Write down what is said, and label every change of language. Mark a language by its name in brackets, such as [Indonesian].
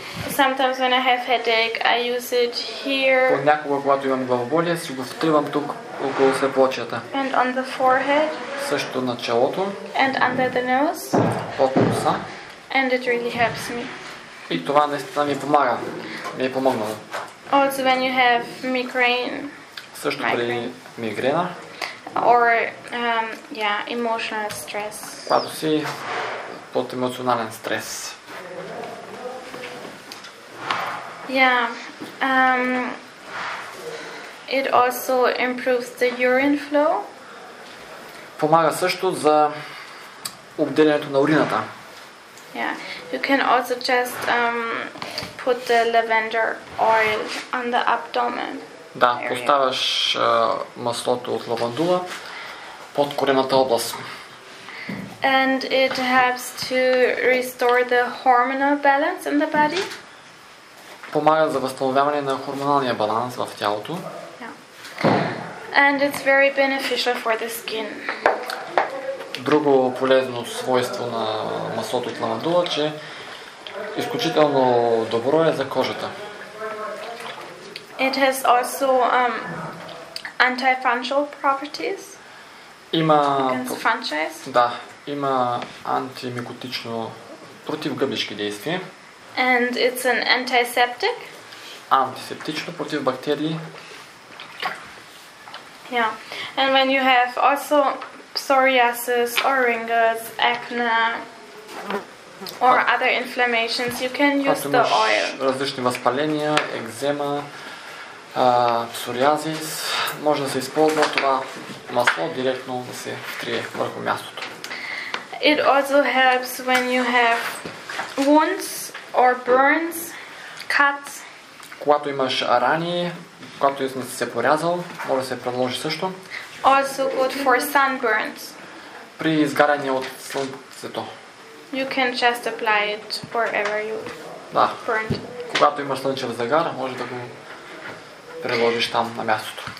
[English] Sometimes when I have headache, I use it here. [Bulgarian] Понякога, когато имам главоболие, си го втривам тук около сърплочията. [English] And on the forehead. [Bulgarian] Също на челото. [English] And under the nose. [Bulgarian] Под носа. [English] And it really helps me. [Bulgarian] И това наистина ми помага. Ми е помогнало. [English] Also when you have migraine. [Bulgarian] Също при мигрена. [English] Or yeah, emotional stress. [Bulgarian] Когато си под емоционален стрес. [English] Yeah. It also improves the urine flow. [Bulgarian] Помага също за обделянето на урината. [English] Yeah. You can also just put the lavender oil on the abdomen. [Bulgarian] Да, поставяш маслото от лавандула под коремната област. [English] And it helps to restore the hormonal balance in the body. [Bulgarian] Помага за възстановяване на хормоналния баланс в тялото. [English] Yeah. And it's very beneficial for the skin. [Bulgarian] друго полезно свойство на маслото от ламандула, че изключително добро е за кожата. [English] It has also anti-fungal properties. [Bulgarian] Има [English] fungus. [Bulgarian] Да, има антимикотично противгъбнишки действия. [English] And it's an antiseptic. [Bulgarian] Антисептично против бактерии. [English] Yeah. And when you have also psoriasis or ringers, acne or other inflammations, you can use the oil. [Bulgarian] Различни възпаления, екзема, псориазис, може да се използва това масло директно да се втрие върху мястото. [English] It also helps when you have wounds or burns, cuts. [Bulgarian] Когато имаш рани, когато не си се порязал, може да се предложи също. [English] Also good for sunburns. [Bulgarian] При изгаряне от слънцето. [English] You can just apply it wherever you [Bulgarian] да. [English] Burned. [Bulgarian] Когато имаш слънчев загар, може да го приложиш там на мястото.